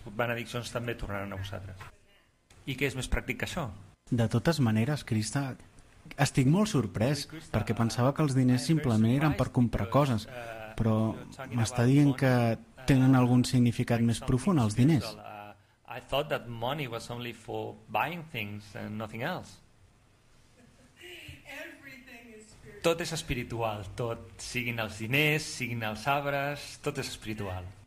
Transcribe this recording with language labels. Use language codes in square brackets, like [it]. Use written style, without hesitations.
[ca] Les benediccions també tornaran a vosaltres. I què és més pràctic que això? De totes maneres, Krista, estic molt sorprès, perquè pensava que els diners simplement eren per comprar coses. Però m'està dient que tenen algun significat més profund, els diners. [en] I thought that money was only for buying things and nothing else. [ca] Tot és espiritual, tot, siguin els diners, siguin els arbres, tot és espiritual.